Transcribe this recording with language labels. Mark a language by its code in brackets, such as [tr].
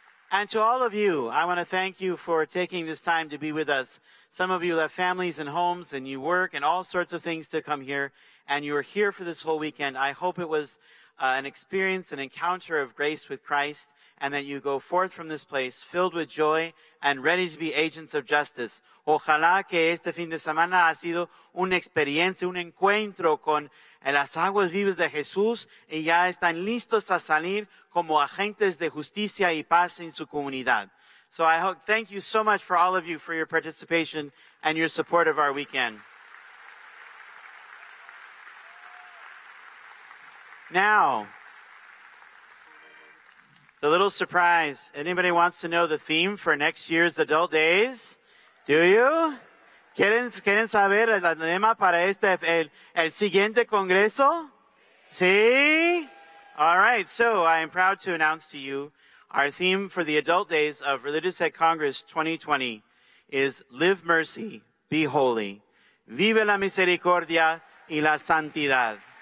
[en] And to all of you, I want to thank you for taking this time to be with us. Some of you have families and homes, and you work, and all sorts of things to come here. And you are here for this whole weekend. I hope it was an experience, an encounter of grace with Christ, and that you go forth from this place filled with joy and ready to be agents of justice. [es] Ojalá que este fin de semana ha sido una experiencia, un encuentro con las aguas vivas de Jesús, y ya están listos a salir como agentes de justicia y paz en su comunidad. [en] So I hope, thank you so much for all of you for your participation and your support of our weekend. Now, the little surprise. Anybody wants to know the theme for next year's Adult Days? Do you? [es] ¿Quieren saber el tema para este el siguiente congreso? ¿Sí? [en] All right, so I am proud to announce to you our theme for the Adult Days of Religious Ed Congress 2020 is Live Mercy, Be Holy. [es] Vive la misericordia y la santidad.